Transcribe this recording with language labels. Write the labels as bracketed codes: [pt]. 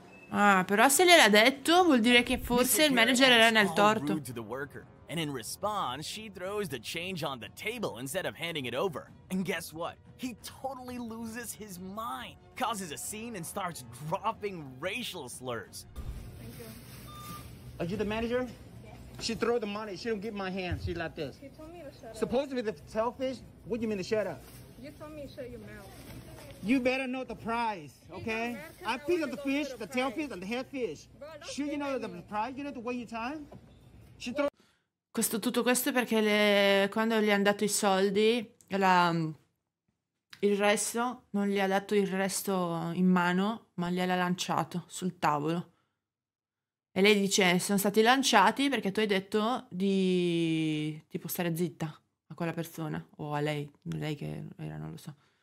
[it] Ah, però se gliel'ha detto, vuol dire che forse il manager era nel torto. [en] To the worker, and in response, she throws the change on the table instead of handing it over. And guess what? He totally loses his mind, causes a scene, and starts dropping racial slurs. Thank you. Are you the manager? Yeah. She threw the money. She don't get my hand. She like this. He told me to shut up. Supposed to be the selfish? What do you mean to shut up? You told me to shut your mouth. You better know the price, okay? American, I pick up the fish, the tail fish and the head fish. Bro, should you know the price, you know the way you time? She throw- [it] questo, tutto questo perché le, quando gli hanno dato i soldi, la, il resto, non gli ha dato il resto in mano, ma gliel'ha lanciato sul tavolo. E lei dice, sono stati lanciati perché tu hai detto di tipo stare zitta a quella persona, o a lei, lei che era, non lo so.